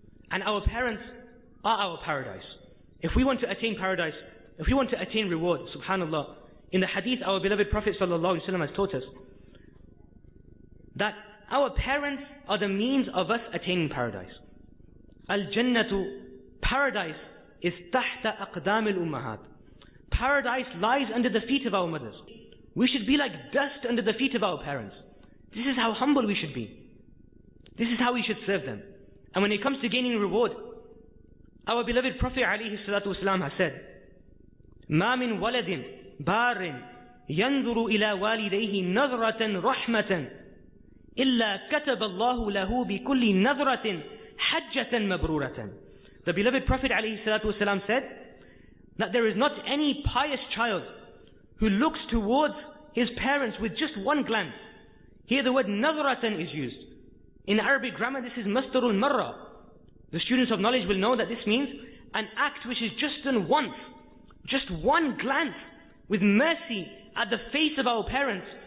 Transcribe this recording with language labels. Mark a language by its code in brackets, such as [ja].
[en] And our parents are our paradise. If we want to attain paradise, if we want to attain reward, subhanAllah, in the hadith our beloved Prophet [ar] sallallahu alaihi wasallam [en] has taught us that our parents are the means of us attaining paradise. [ar] Al-Jannatu, [en] paradise is [ar] tahta aqdamil ummahat. [en] Paradise lies under the feet of our mothers. We should be like dust under the feet of our parents. This is how humble we should be. This is how we should serve them. [ar] And when it comes to gaining reward, our beloved Prophet alayhi salatu wasalam has said, مَا مِن وَلَدٍ بَارٍ يَنْظُرُ إِلَىٰ وَالِدَيْهِ نَظْرَةً رَحْمَةً إِلَّا كَتَبَ اللَّهُ لَهُ بِكُلِّ نَظْرَةٍ حَجَّةً مَبْرُورَةً. [en] The beloved Prophet alayhi salatu wasalam said that there is not any pious child who looks towards his parents with just one glance. Here the word nazratan is used. In Arabic grammar this is mastarul marra. The students of knowledge will know that this means an act which is just done once, just one glance with mercy at the face of our parents.